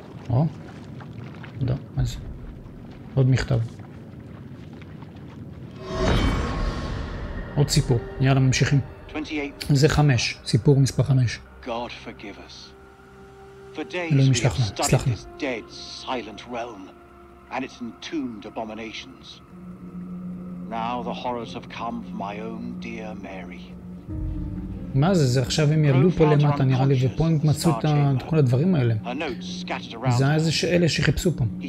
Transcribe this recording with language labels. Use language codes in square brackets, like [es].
[he] או? לא, מה זה? עוד מכתב. עוד סיפור, יאללה ממשיכים. 28. זה 5, סיפור מספר 5. [en] God forgive us. For days we have studied this dead, silent realm. And its entombed abominations. Now the horrors have come for my own dear Mary. [he] מה זה? זה עכשיו הם ירדו פה למטה, נראה לי, ופה הם מצאו את כל הדברים האלה. זה היה זה אלה שחיפשו פה.